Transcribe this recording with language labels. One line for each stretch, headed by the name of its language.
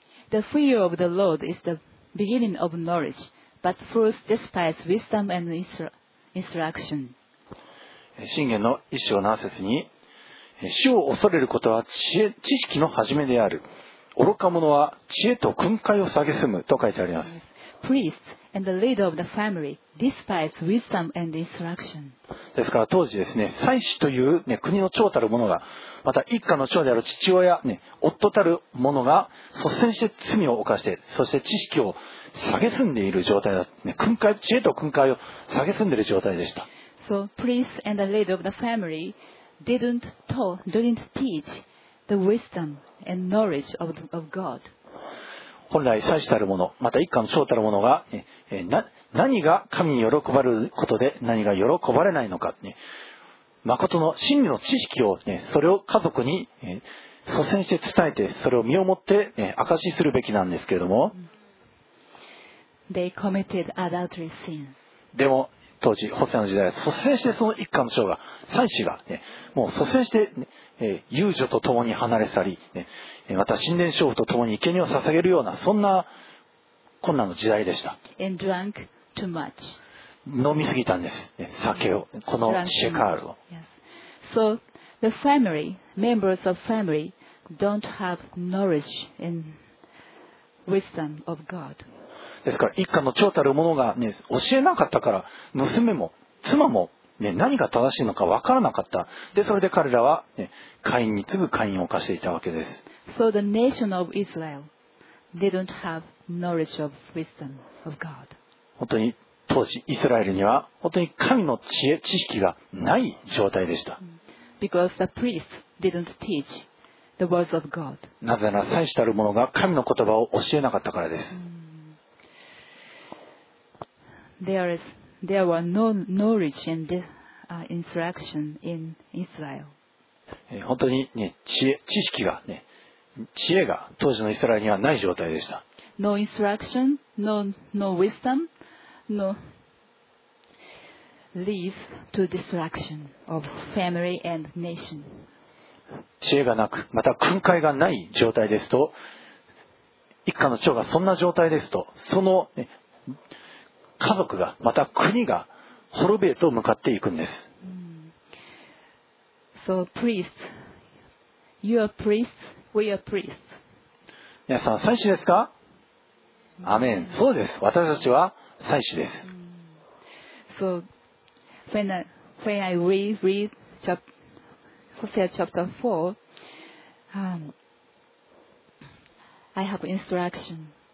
English: The fear of the Lord is the beginning of knowledge, but fools despise wisdom and instruction.
Japanese: 箴言の1章の7節に、主を恐れることは知識の始めである。愚か者は知恵と訓戒を蔑むと書いてあります。
English: Yes. Priests and the leader of the family despise wisdom and instruction.
Japanese: ですから当時ですね、祭司という、ね、国の長たる者が、また一家の長である父親、ね、夫たる者が率先して罪を犯して、そして知識を蔑んでいる状態だ、ね、訓戒、知恵と訓戒を蔑んでいる状態でした。
English: So priests and the leader of the family didn't teach the wisdom and knowledge of God.
Japanese: 本来祭司たる者、また一家の長たる者が、何が神に喜ばれることで何が喜ばれないのか、誠の真理の知識を、それを家族に率先して伝えて、それを身をもって証しするべきなんですけれども。
English: They committed adultery sin.
Japanese: でも、当時、ホセアの時代は率先してその一家の長が、祭司が、もう率先して、遊女と共に離れ去り、また神殿娼婦と共に生贄を捧げるような、そんな困難の時代でした。
English: And drank too much.
Japanese: 飲みすぎたんです。酒を、このシェカールを。
English: Yes. So, the family, members of family, don't have knowledge and wisdom of God.
Japanese: ですから一家の長たる者が、ね、教えなかったから娘も妻も、ね、何が正しいのか分からなかった。でそれで彼らは、ね、カインに次ぐカインを犯していたわけです。
English: So the nation of Israel didn't have knowledge of wisdom of God.
Japanese: 本当に当時イスラエルには本当に神の知恵知識がない状態でした。
English: Because the priest didn't teach the words of God.
Japanese: なぜなら祭司たる者が神の言葉を教えなかったからです。
English: There were no knowledge and this, instruction in Israel.
Japanese: 本当に、ね、知識が、ね、知恵が当時のイスラエルにはない状態でした。
English: No instruction, no, no wisdom, no leads to destruction of family and nation.
Japanese: 知恵がなく、また訓戒がない状態ですと、一家の長がそんな状態ですと、その家族が、また国が滅びへと向かっていくんです。
English: So priests, you are priests, we are priests.
Japanese: 皆さん、祭司ですか？アメン。そうです。私たちは祭司です。
English: So, when I read Hosea chapter 4, I have instruction.